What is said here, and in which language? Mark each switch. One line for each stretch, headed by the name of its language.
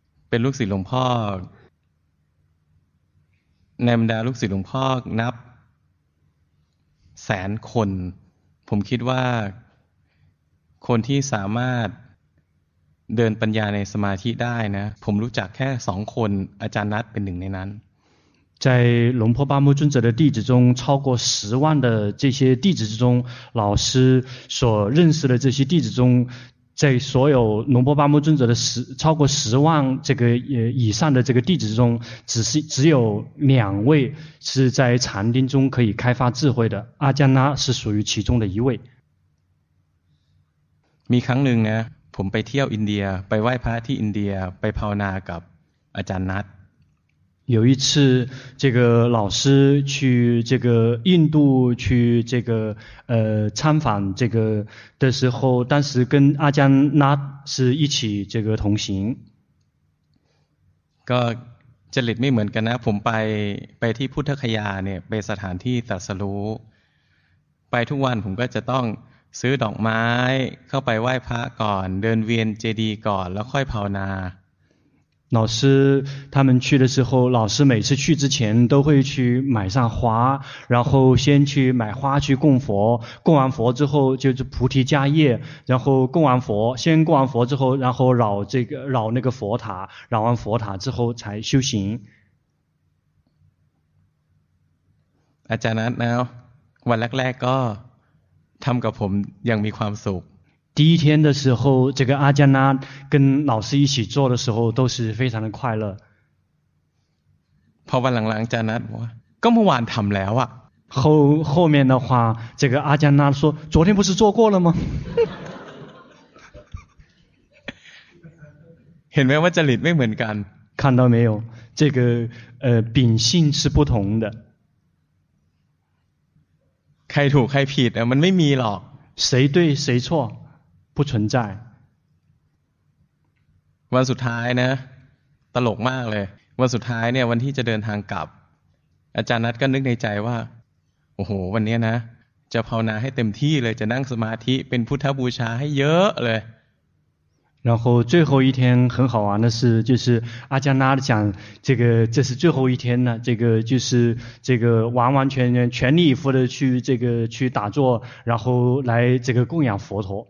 Thai: เป็นลูกศิษย์หลวงพ่อในบรรดาลูกศิษย์หลวงพ่อนับแสนคนผมคิดว่าคนที่สามารถเดินปัญญาในสมาธิได้นะผมรู้จักแค่สองคนอาจารย์นัทเป็นหนึ่งในนั้น
Chinese: 在龙婆巴木尊者的弟子中超过十万的这些弟子之中老师所认识的这些弟子中在所有龙婆巴木尊者的超过十万这个以上的这个弟子中只有两位是在禅定中可以开发智慧的阿江拉是属于其中的一位
Thai: มีครั้งหนึ่งนะผมไปเที่ยวอินเดียไปไหว้พระที่อินเดียไปภาวนากับอาจารย์นัท
Chinese: 有一次这个老师去这个印度去这个参访这个的时候当时跟阿江拉是一起这个同行
Thai: ก็จริตไม่เหมือนกันนะผมไปที่พุทธคยาเนี่ยไปสถานที่ตรัสรู้ไปทุกวันผมก็จะต้องซื้อดอกไม้เข้าไปไหว้พระก่อนเดินเวียนเจดีย์ก่อนแล้วค่อยภาวนา
Chinese: 老师他们去的时候老师每次去之前都会去买上花然后先去买花去供佛供完佛之后就是菩提迦叶然后供完佛先供完佛之后然后绕这个绕那个佛塔绕完佛塔之后才修行
Thai: อาจารย์นัทนะวันแรกๆก็ทำกับผมยังมีความสุข
Chinese: 第一天的时候，这个阿加那跟老师一起做的时候，都是非常的快乐。
Thai: พอวันหลังๆอาจารย์นัทบอกว่าก็เมื่อวานทำแล้วอ่ะ
Chinese: 后面的话，这个阿加那说，昨天不是做过了吗？
Thai: เห็นไหมว่าจริตไม่เหมือนกัน
Chinese: 看到没有，这个秉性是不同的。
Thai: ใครถูกใครผิดอ่ะมันไม่มีหรอก
Chinese: 谁对谁错不存在。
Thai: วันสุดท้ายนะตลกมากเลยวันสุดท้ายเนี่ยวันที่จะเดินทางกลับอาจารย์นัทก็นึกในใจว่าโอ้โหวันนี้นะจะภาวนาให้เต็มที่เลยจะนั่งสมาธิเป็นพุทธบูชาให้เยอะเลย
Chinese: 然后最后一天很好玩的是，就是阿加那讲这个，这是最后一天呢，这个就是这个完完全全全力以赴的去这个去打坐，然后来这个供养佛陀。